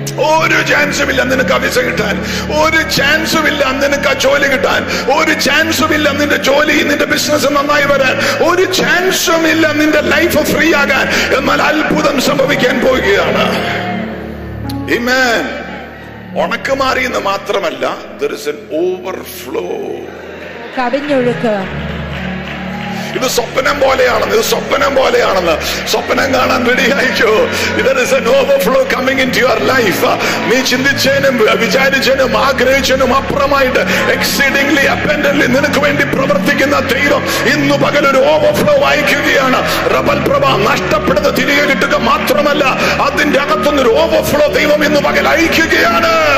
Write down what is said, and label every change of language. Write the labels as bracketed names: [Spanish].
[Malayalam] ഒരു ചാൻസും ഇല്ല നിനക്ക് ആ വിസ കിട്ടാൻ, ഒരു ചാൻസും ഇല്ല നിനക്ക് ആ ജോലി കിട്ടാൻ, ഒരു ചാൻസും ഇല്ല നിന്റെ ജോലി നിന്റെ ബിസിനസ് നന്നായി വരാൻ, ഒരു ചാൻസും ഇല്ല നിന്റെ ലൈഫ് ഫ്രീ ആകാൻ, എന്നാൽ അത്ഭുതം സംഭവിക്കാൻ പോവുകയാണ്. ആമേൻ. ഉണക്ക് മാറി എന്ന് മാത്രമല്ല, [English] there is an overflow, [Malayalam] കവിഞ്ഞൊഴുക്ക്. ഇത് സ്വപ്നം പോലെയാണെന്ന്, ഇത് സ്വപ്നം പോലെയാണെന്ന്, സ്വപ്നം കാണാൻ റെഡിയായിക്കോ. [English] There is an overflow coming into your life. [Malayalam] നീ ചിന്തിച്ചതിനും വിചാരിച്ചതിനും ആഗ്രഹിച്ചതിനും അപ്പുറമായിട്ട് എക്സീഡിംഗ്ലി അബണ്ടന്റ്ലി നിനക്ക് വേണ്ടി പ്രവർത്തിക്കുന്ന ദൈവം ഇന്ന് പകൽ ഒരു ഓവർഫ്ലോ വായിക്കുകയാണ്. റബൽ പ്രഭ, നഷ്ടപ്പെടുന്ന തിരികെ കിട്ടുക മാത്രമല്ല, അതിന്റെ അകത്തുനിന്ന് ഒരു ഓവർഫ്ലോ ദൈവം ഇന്ന് പകൽ അയക്കുകയാണ്.